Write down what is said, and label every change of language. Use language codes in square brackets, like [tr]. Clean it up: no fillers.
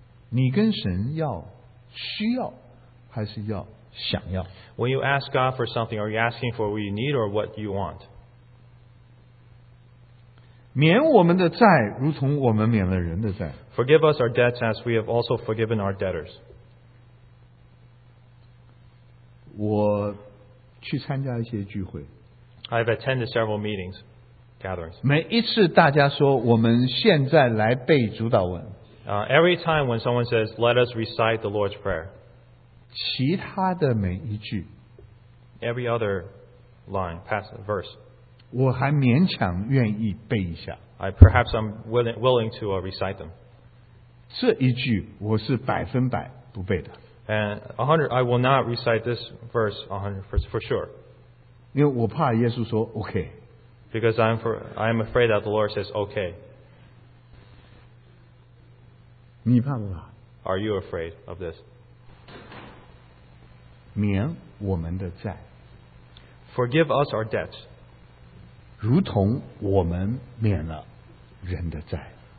[zh] 你跟神要需要还是要想要 [en] When you ask God for something, are you asking for what you need or what you want? [zh] 免我们的债如同我们免了人的债 [en] Forgive us our debts as we have also forgiven our debtors. [zh] 我去参加一些聚会 [en] I've attended several meetings, gatherings. [zh] 每一次大家说我们现在来背主导文 [en] Every time when someone says, let us recite the Lord's Prayer, [zh] 其他的每一句, [en] every other line, passage, verse, [zh] 我还勉强愿意背一下, [en] perhaps I'm willing to recite them. [zh] 这一句我是百分百不背的。 [en] And 100, I will not recite this verse 100% for sure. [zh] 因为我怕耶稣说, okay. [en] Because I'm afraid that the Lord says, okay. [zh] 你怕不怕? [en] Are you afraid of this? [zh] 免我们的债。 [en] Forgive us our debts. [zh] 如同我们免了人的债。